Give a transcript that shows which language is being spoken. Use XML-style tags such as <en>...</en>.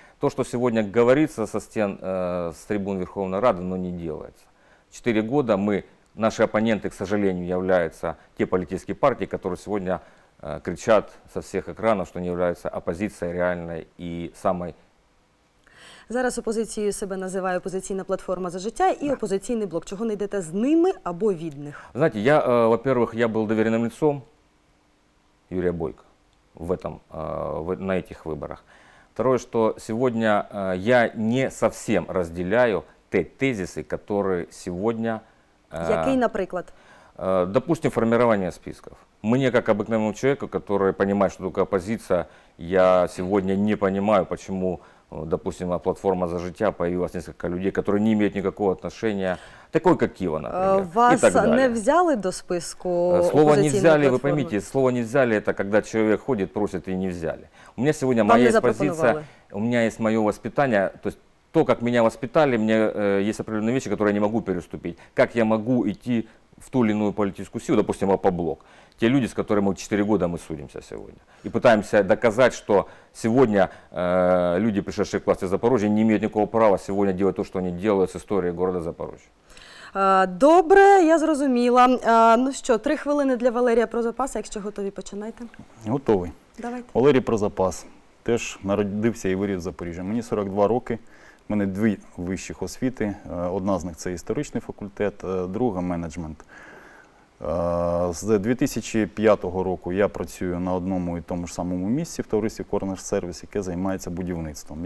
<ru>То, что сегодня говорится со стен, с трибун Верховной Рады, но не делается. Четыре года мы... Наши оппоненты, к сожалению, являются те политические партии, которые сегодня кричат со всех экранов, что они являются оппозицией реальной и самой...</ru> <uk>Зараз опозицією себе називає опозиційна платформа «За життя» і опозиційний блок. Чого не йдете з ними або від них?</uk> <ru>Знаете, я, во-первых, я был доверенным лицом Юрия Бойко в этом, на этих выборах. Второе, что сегодня я не совсем разделяю те тезисы, которые сегодня...</ru> <uk>Який, наприклад?</uk> <ru>Допустим, формирование списков. Мне, как обыкновенному человеку, который понимает, что только оппозиция, я сегодня не понимаю, почему, допустим, платформа «За життя» появилась несколько людей, которые не имеют никакого отношения. Такой, как Кива, например. Вас и так далее.</ru> <uk>Не взяли до списку?</uk> <ru>Слово «не взяли», Вы поймите, слово «не взяли» – это когда человек ходит, просит и не взяли. У меня сегодня вам моя позиция, у меня есть мое воспитание, то есть, то, как меня воспитали, мне есть определенные вещи, которые я не могу переступить. Как я могу идти в ту или иную политическую силу, допустим, ОПОБЛОК. Те люди, с которыми мы 4 года мы судимся сегодня. И пытаемся доказать, что сегодня люди, пришедшие к власти в Запорожье, не имеют никакого права сегодня делать то, что они делают с историей города Запорожья.</ru> <uk>Добре, я зрозуміла. Ну що, 3 хвилини для Валерія Прозапаса. Якщо готові, починайте. Готовий. Давайте. Валерій Прозапас. Теж народився і виріс в Запоріжжі. Мені 42 роки. У мене дві вищих освіти. Одна з них – це історичний факультет, друга – менеджмент. З 2005 року я працюю на одному і тому ж самому місці в товаристві «Корнер Сервіс», яке займається будівництвом.</uk>